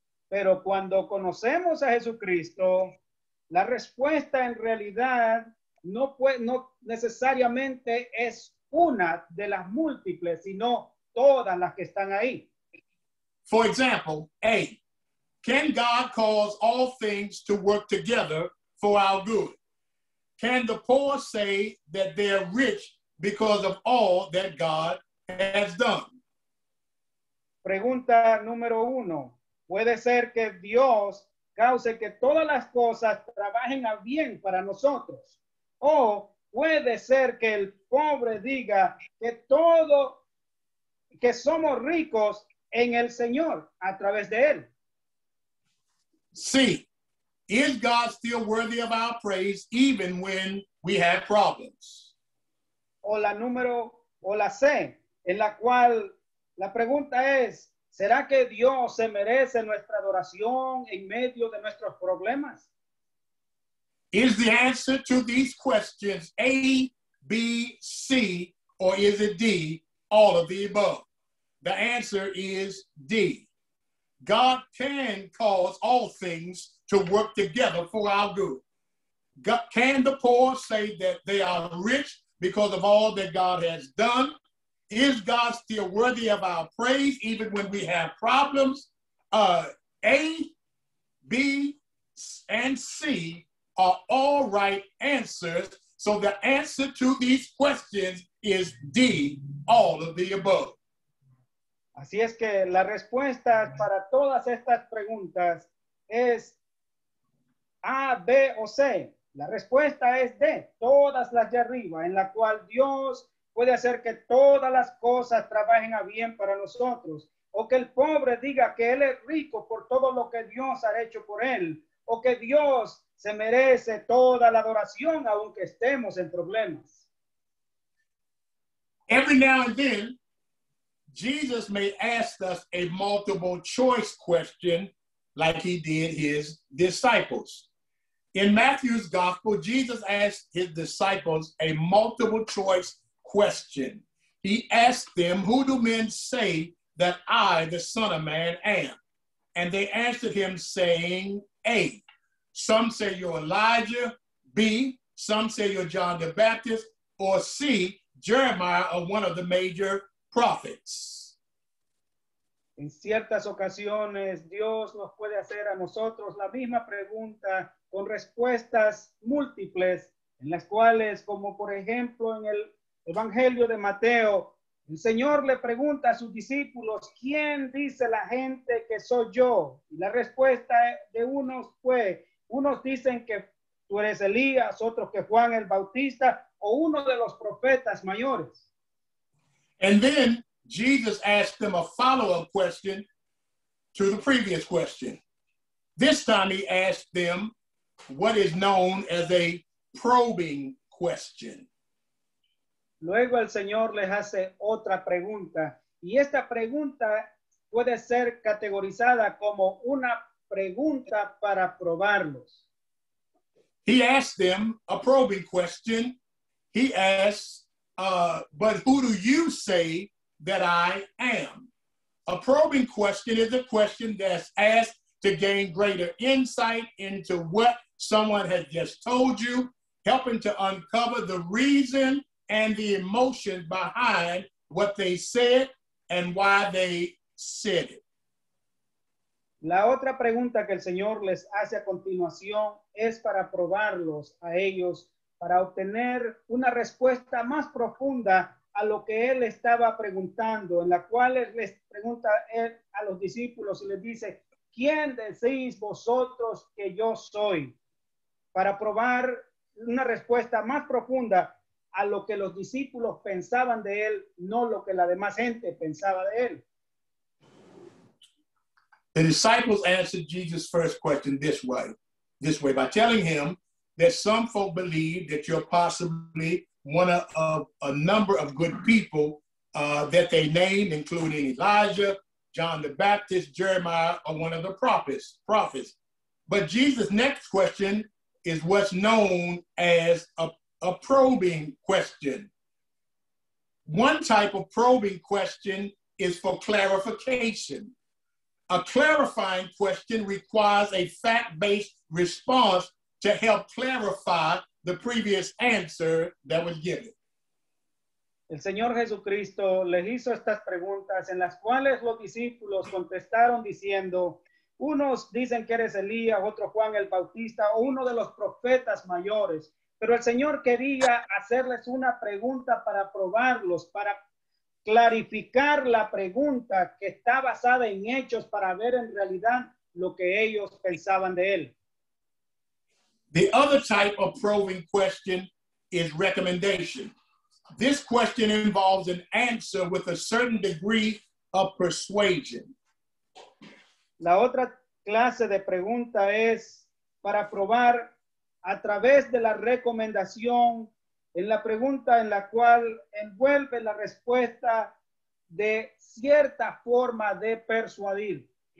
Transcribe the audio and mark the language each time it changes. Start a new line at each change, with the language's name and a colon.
Spanish: Pero cuando conocemos a Jesucristo, la respuesta en realidad no puede, no necesariamente es una de las múltiples, sino todas las que están ahí.
English: For example, A, can God cause all things to work together for our good? Can the poor say that they're rich because of all that God has done?
Spanish: Pregunta número uno. ¿Puede ser que Dios cause que todas las cosas trabajen a bien para nosotros? ¿O puede ser que el pobre diga que todo, que somos ricos en el Señor a través de él? Sí.
English: Is God still worthy of our praise even when we have problems?
Spanish: O la C, en la cual la pregunta es, ¿será que Dios se merece nuestra adoración en medio de nuestros problemas?
English: Is the answer to these questions A, B, C, or is it D, all of the above? The answer is D. God can cause all things to work together for our good. God, can the poor say that they are rich because of all that God has done? Is God still worthy of our praise even when we have problems? A, B, and C are all right answers. So the answer to these questions is D, all of the above.
Spanish: Así es que la respuesta para todas estas preguntas es A, B o C. La respuesta es D, todas las de arriba, en la cual Dios puede hacer que todas las cosas trabajen a bien para nosotros. O que el pobre diga que él es rico por todo lo que Dios ha hecho por él. O que Dios se merece toda la adoración, aunque estemos en problemas.
English: Every now and then, Jesus may ask us a multiple choice question like he did his disciples. In Matthew's gospel, Jesus asked his disciples a multiple choice question. He asked them, who do men say that I, the Son of Man, am? And they answered him saying, A, some say you're Elijah, B, some say you're John the Baptist, or C, Jeremiah, or one of the major prophets.
Spanish: En ciertas ocasiones, Dios nos puede hacer a nosotros la misma pregunta con respuestas múltiples, en las cuales, como por ejemplo en el Evangelio de Mateo, el Señor le pregunta a sus discípulos, ¿quién dice la gente que soy yo? Y la respuesta de unos fue, unos dicen que tú eres Elías, otros que Juan el Bautista, o uno de los profetas mayores.
English: And then Jesus asked them a follow-up question to the previous question. This time he asked them what is known as a probing question.
Spanish: Luego el Señor les hace otra pregunta. Y esta pregunta puede ser categorizada como una pregunta para probarlos.
English: He asked them a probing question. He asked, but who do you say that I am? A probing question is a question that's asked to gain greater insight into what someone has just told you, helping to uncover the reason and the emotion behind what they said and why they said it.
Spanish: La otra pregunta que el Señor les hace a continuación es para probarlos a ellos, para obtener una respuesta más profunda a lo que él estaba preguntando, en la cual les pregunta él a los discípulos y les dice, ¿quién decís vosotros que yo soy? Para probar una respuesta más profunda a lo que los discípulos pensaban de él, no lo que la demás gente pensaba de él.
English: The disciples answered Jesus' first question this way, by telling him that some folk believe that you're possibly one of a number of good people that they named, including Elijah, John the Baptist, Jeremiah, or one of the prophets. But Jesus' next question is what's known as a probing question. One type of probing question is for clarification. A clarifying question requires a fact-based response to help clarify the previous answer that was given.
Spanish: El Señor Jesucristo les hizo estas preguntas en las cuales los discípulos contestaron diciendo, unos dicen que eres Elías, otro Juan el Bautista, o uno de los profetas mayores. Pero el Señor quería hacerles una pregunta para probarlos, para clarificar la pregunta que está basada en hechos para ver en realidad lo que ellos pensaban de él.
English: The other type of probing question is recommendation. This question involves an answer with a certain degree of persuasion.
Spanish: La otra clase de pregunta es para probar a través de la recomendación en la pregunta en la cual envuelve la respuesta de cierta forma de persuadir.